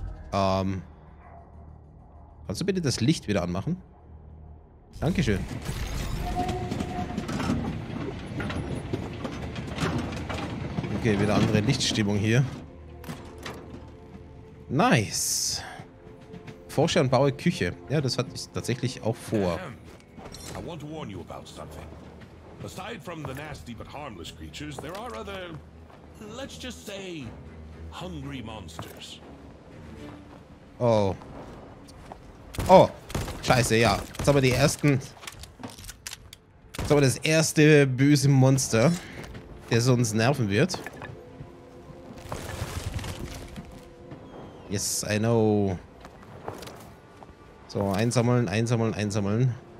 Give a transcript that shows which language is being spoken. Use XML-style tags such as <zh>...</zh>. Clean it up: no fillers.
<de>Kannst du bitte das Licht wieder anmachen? Dankeschön. Okay, wieder andere Lichtstimmung hier. Nice. Forsche und baue Küche. Ja, das hatte ich tatsächlich auch vor.</de> <en>I want to warn you about something. Aside from the nasty but harmless creatures, there are other, let's just say, hungry monsters.</en> <de>Oh. Oh, scheiße, ja. Jetzt haben wir die ersten. Jetzt haben wir das erste böse Monster, der uns nerven wird.</de> <en>Yes, I know.</en> <de>So, einsammeln, einsammeln, einsammeln.</de>